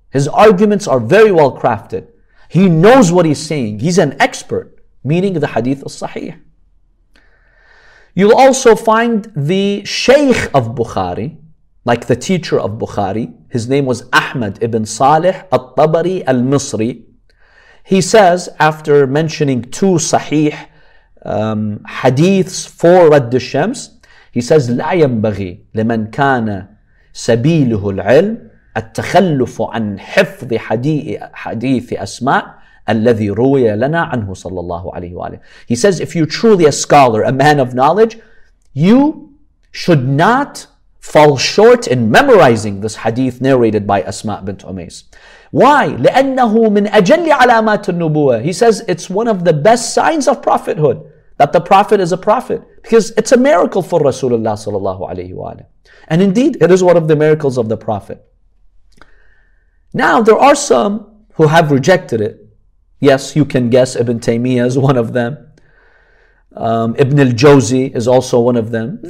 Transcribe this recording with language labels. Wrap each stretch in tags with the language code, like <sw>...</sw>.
<en>His arguments are very well crafted. He knows what he's saying. He's an expert, meaning the hadith is sahih. You'll also find the Shaykh of Bukhari, like the teacher of Bukhari. His name was Ahmad ibn Salih al-Tabari al-Misri. He says, after mentioning two sahih hadiths for Radd al-Shams, he says,</en> <ar>لا ينبغي لمن كان سبيله العلم التخلف عن حفظ حديث أسماء الذي روي لنا عنه صلى الله عليه وآله.</ar> <en>He says, if you're truly a scholar, a man of knowledge, you should not fall short in memorizing this hadith narrated by Asma bint Umays. Why?</en> <ar>لأنه من أجل علامات النبوة.</ar> <en>He says, it's one of the best signs of prophethood, that the prophet is a prophet, because it's a miracle for Rasulullah sallallahu alayhi wa alayhi. And indeed, it is one of the miracles of the prophet. Now, there are some who have rejected it. Yes, you can guess Ibn Taymiyyah is one of them. Ibn al-Jawzi is also one of them.</en>